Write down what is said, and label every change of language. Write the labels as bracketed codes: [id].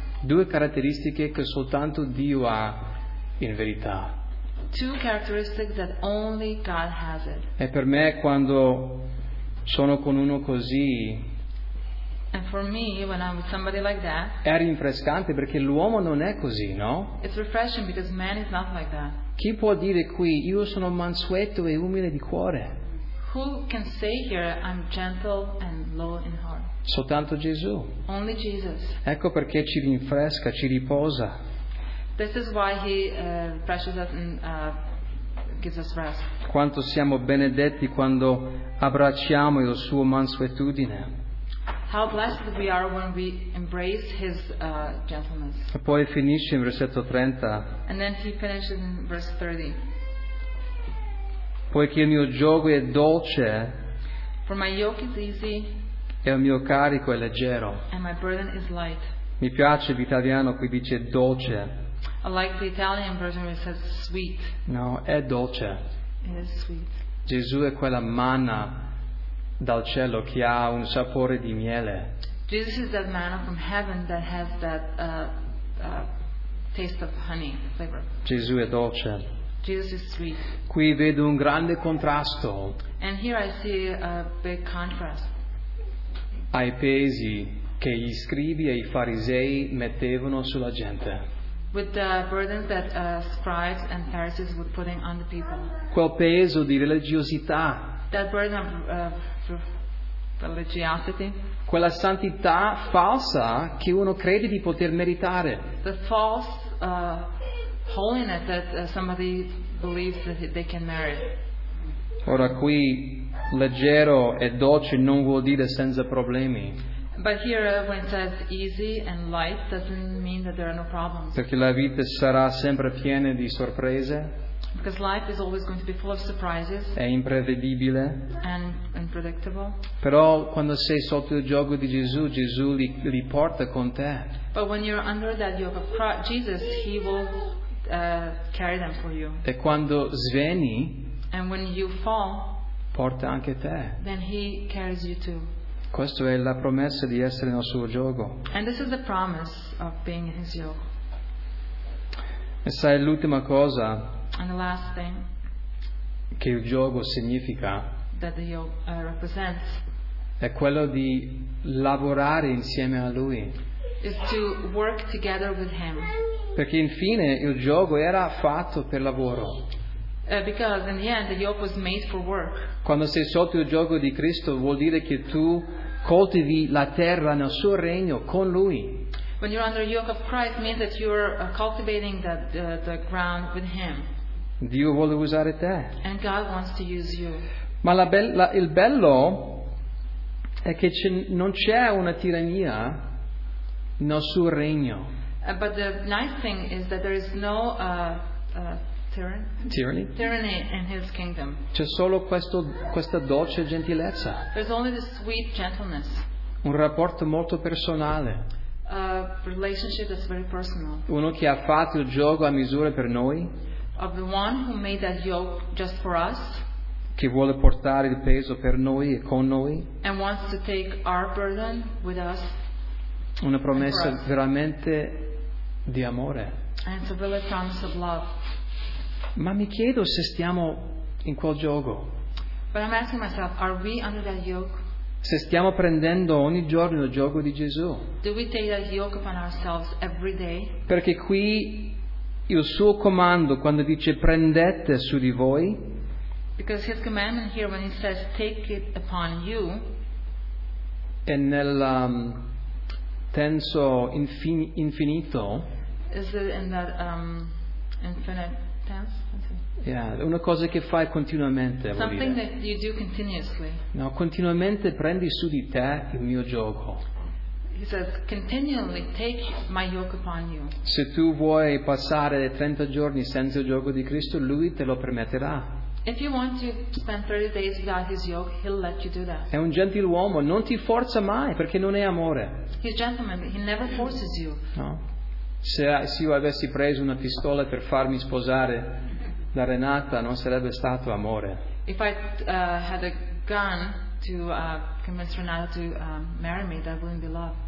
[it] Due caratteristiche che soltanto Dio ha in verità. [en] Two characteristics that only God has it. [it] E per me quando sono con uno così. [en] And for me, when I'm with somebody like that, [it] è rinfrescante perché l'uomo non è così, no? [en] It's refreshing because man is not like that. [it] Chi può dire qui io sono mansueto e umile di cuore? [en] Who can say here I'm gentle and low in heart? [it] Soltanto Gesù. [en] Only Jesus. [it] Ecco perché ci rinfresca, ci riposa. [en] This is why he refreshes us and gives us rest. [it] Quanto siamo benedetti quando abbracciamo il suo mansuetudine. [en] How blessed we are when we embrace his gentleness. [it] E poi finisce in versetto 30. [en] And then he finishes in verse 30. [it] Poiché il mio giogo è dolce. [en] For my yoke is easy. [it] E il mio carico è leggero. [en] And my burden is light. [it] Mi piace l'italiano qui dice dolce. [en] I like the Italian version where it says sweet. [it] No, è dolce. [en] It is sweet. [it] Gesù è quella manna dal cielo che ha un sapore di miele. [en] Jesus is that manna from heaven that has that taste of honey flavor. [it] Gesù è dolce. [en] Jesus is sweet. [it] Qui vedo un grande contrasto. [en] And here I see a big contrast. [it] Ai pesi che gli scribi e i farisei mettevano sulla gente. [en] With the burdens that scribes and Pharisees were putting on the people. [it] Quel peso di religiosità. [en] That burden of religiosity. [it] Quella santità falsa che uno crede di poter meritare. [en] The false holiness that somebody believes that they can merit. [it] Ora qui leggero e dolce non vuol dire senza problemi. [en] But here when it says easy and light doesn't mean that there are no problems. [it] Perché la vita sarà sempre piena di sorprese. [en] Because life is always going to be full of surprises. [it] È imprevedibile. [en] And unpredictable. [it] Però quando sei sotto il giogo di Gesù, Gesù li porta con te. [en] But when you're under that yoke of Christ, Jesus, he will carry them for you. [it] E quando sveni, [en] and when you fall, [it] porta anche te. [en] Then he carries you too. [it] Questa è la promessa di essere nel suo giogo. [en] And this is the promise of being in his yoke. [it] E sai l'ultima cosa? [en] And the last thing [it] che il giogo significa, [en] that the yoke represents, [it] è quello di lavorare insieme a lui. [en] Is to work together with him. [it] Perché infine il giogo era fatto per lavoro. [en] Because in the end the yoke was made for work. [it] Quando sei sotto il giogo di Cristo vuol dire che tu coltivi la terra nel suo regno con lui. [en] When you're under the yoke of Christ means that you're cultivating the ground with him. [it] Dio vuole usare te. [en] And God wants to use you. [it] Ma il bello è che non c'è una tirannia nel suo regno. [en] But the nice thing is that there is no tyranny in his kingdom. [it] C'è solo questa dolce gentilezza. [en] There's only this sweet gentleness. [it] Un rapporto molto personale. [en] A relationship that's very personal. [it] Uno che ha fatto il gioco a misura per noi. [en] Of the one who made that yoke just for us. [it] Che vuole portare il peso per noi e con noi. [en] And wants to take our burden with us. [it] Una promessa veramente di amore. [en] And it's a really promise of love. [it] Ma mi chiedo se stiamo in quel gioco. [en] But I'm asking myself, are we under that yoke? [it] Se stiamo prendendo ogni giorno il gioco di Gesù. [en] Do we take that yoke upon ourselves every day? [it] Perché qui il suo comando quando dice prendete su di voi. [en] Because his commandment here when he says take it upon you. [it] E nel tenso infinito. [en] Is it in that infinite tense? [it] Yeah, una cosa che fai continuamente. [en] Something [it] vuol dire [en] that you do continuously. [it] No, continuamente prendi su di te il mio giogo. [en] He says, continually take my yoke upon you. [it] Se tu vuoi passare 30 giorni senza il giogo di Cristo, lui te lo permetterà. [en] If you want to spend 30 days without his yoke, he'll let you do that. [it] È un gentiluomo, non ti forza mai, perché non è amore. [en] He's a gentleman, he never forces you. [it] No. Se io avessi preso una pistola per farmi sposare da Renata, non sarebbe stato amore. [en] If I had a gun to convince Renata to marry me, that wouldn't be love.